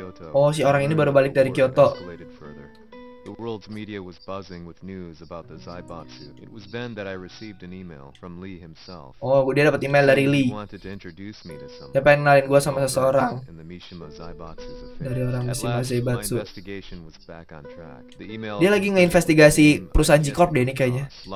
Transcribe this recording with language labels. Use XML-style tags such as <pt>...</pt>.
<id>Oh, si orang ini baru balik dari Kyoto.</id> <en>The world's media was buzzing with news about the Zaibatsu. It was then that I received an email from Lee himself.</en> <id>Oh, dia dapat email dari Lee.</id> <en>He wanted to introduce me to someone.</en> <id>Dia pengen kenalin gua sama seseorang. Dari orang Mishima Zaibatsu. Dia lagi nge-investigasi perusahaan G-Corp deh ini kayaknya.</id>